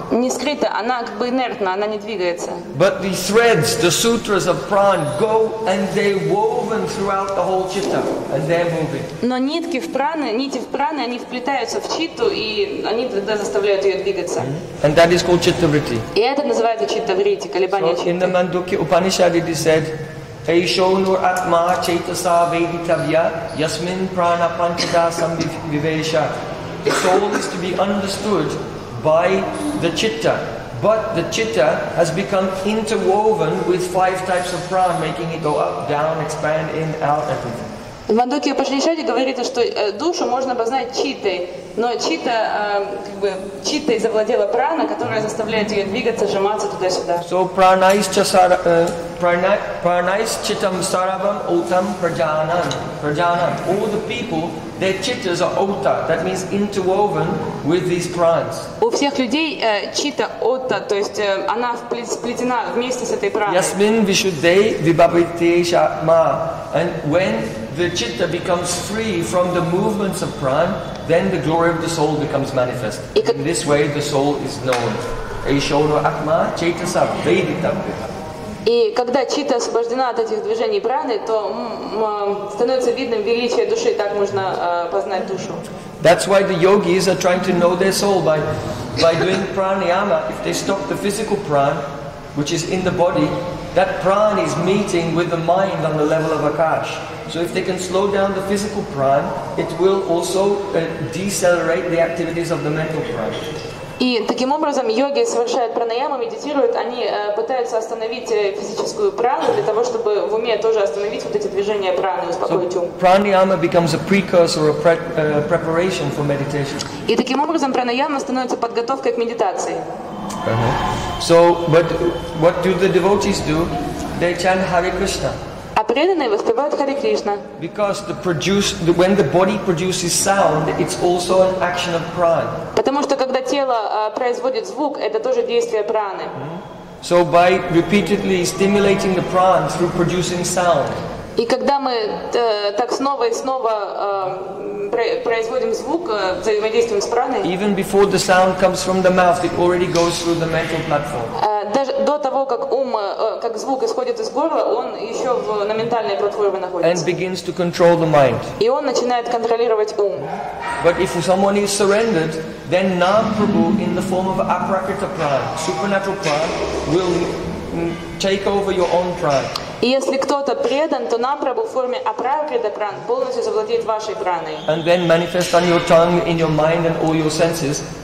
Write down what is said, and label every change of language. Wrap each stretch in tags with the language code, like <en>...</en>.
<ru>Нескрыта, она как бы инертна, она не двигается.</ru> <en>But the threads, the sutras of pran, go and they woven throughout the whole chitta, and they're moving.</en> <ru>Но нитки в праны, нити в праны, они вплетаются в читту, и они тогда заставляют ее двигаться.</ru> <en>And that is called chittavritti.</en> <ru>И это называется читтавритти, колебание читты.</ru> <en>So in the Mandukya Upanishad it is said,</en> <sa>Eisho nur atma chaitasa veditavya yasmin prana panchata samvivesha.</sa> <en>The soul is to be understood by the chitta, but the chitta has become interwoven with five types of prana, making it go up, down, expand, in, out, everything.</en> <ru>В Мандукья Упанишаде говорится, что душу можно обознать читой, но чита, как бы, читой завладела прана, которая заставляет ее двигаться, сжиматься туда-сюда.</ru> <sa>So pranais chitam saravam utam prajanam.</sa> <en>All the people, their chittas are ota, that means interwoven with these pranas.</en> <ru>У всех людей чита ота, то есть она сплетена вместе с этой праной.</ru> <sa>Yasmin vishuddhei vibhavitesha ma.</sa> <en>And when the chitta becomes free from the movements of prana, then the glory of the soul becomes manifest. In this way, the soul is known.</en> <sa>Eishono atma chaitasa veditavya.</sa> <ru>И когда чита освобождена от этих движений праны, то становится видным величие души, так можно познать душу.</ru> <en>That's why the yogis are trying to know their soul by doing pranayama. If they stop the physical prana, which is in the body, that prana is meeting with the mind on the level of akash. So if they can slow down the physical prana, it will also decelerate the activities of the mental prana.</en> <ru>И таким образом йоги совершают пранаяму, медитируют, они пытаются остановить физическую прану для того, чтобы в уме тоже остановить вот эти движения праны, успокоить ум.</ru> <en>So, pranayama becomes a precursor, preparation for meditation.</en> <ru>И таким образом пранаяма становится подготовкой к медитации.</ru> <en>Uh-huh. So, but what do the devotees do? They chant Hare Krishna.</en> <ru>А преданные воспевают Харе Кришна.</ru> <en>Because when the body produces sound, it's also an action of prana.</en> <ru>Потому что когда тело производит звук, это тоже действие праны. Mm-hmm.</ru> <en>So by repeatedly stimulating the prana through producing sound.</en> <ru>И когда мы так снова и снова производим звук, взаимодействуем с праной.</ru> <en>Even before the sound comes from the mouth, it already goes through the mental platform.</en> <ru>Даже до того, как ум, как звук исходит из горла, он еще на ментальной платформе находится.</ru> <en>And begins to control the mind.</en> <ru>И он начинает контролировать ум.</ru> <en>But if someone is surrendered, then Nam Prabhu in the form of Aprakrita Prana, supernatural prana, will take over your own prana.</en> <ru>И если кто-то предан, то Нам Прабху в форме Апракрита Пран полностью завладеет вашей праной.</ru> <en>And then manifest on your tongue, in your mind and all your senses.</en>